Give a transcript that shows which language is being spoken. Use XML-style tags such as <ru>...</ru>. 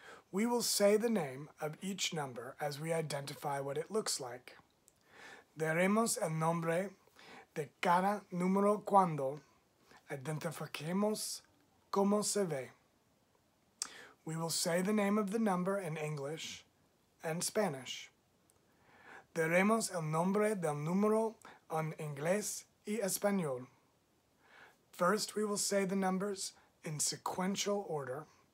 <en>We will say the name of each number as we identify what it looks like.</en> <es>Daremos el nombre de cada número cuando identifiquemos cómo se ve.</es> <en>We will say the name of the number in English and Spanish.</en> <es>Daremos el nombre del número en inglés y español.</es> <en>First, we will say the numbers in sequential order.</en>